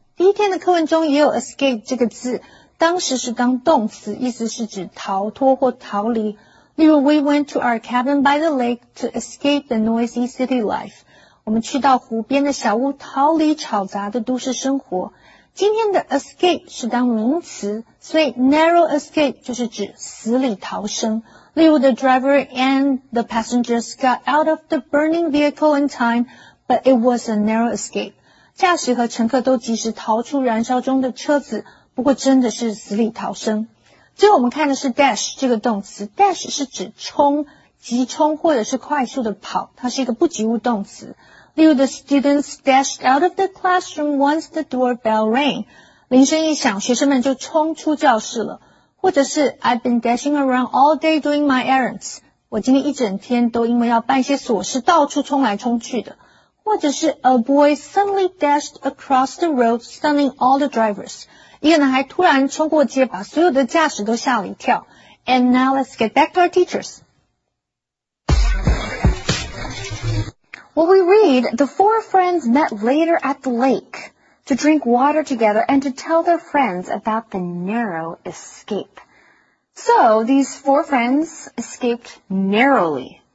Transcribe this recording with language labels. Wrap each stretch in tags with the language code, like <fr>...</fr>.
<zh>第一天的课文中也有 escape 这个字，当时是当动词，意思是指逃脱或逃离。例如</zh> <en>,we went to our cabin by the lake to escape the noisy city life.</en> <zh>我们去到湖边的小屋逃离吵杂的都市生活。今天的 escape 是当名词，所以 narrow escape 就是指死里逃生。例如</zh> <en>,the driver and the passengers got out of the burning vehicle in time,But it was a narrow escape.</en> <zh>驾驶和乘客都及时逃出燃烧中的车子，不过真的是死里逃生。最后我们看的是 dash 这个动词。dash 是指冲、急冲或者是快速的跑，它是一个不及物动词。例如</zh> <en>,the students dashed out of the classroom once the doorbell rang.</en> <zh>铃声一响，学生们就冲出教室了。或者是</zh> <en>,I've been dashing around all day doing my errands.</en> <zh>我今天一整天都因为要办一些琐事到处冲来冲去的。或者是</zh> <en>a boy suddenly dashed across the road, stunning all the drivers.</en> <zh>一个男孩突然冲过街，把所有的驾驶都吓了一跳。</zh> <en>And now let's get back to our teachers. Well, we read, the four friends met later at the lake to drink water together and to tell their friends about the narrow escape. So these four friends escaped narrowly.</en>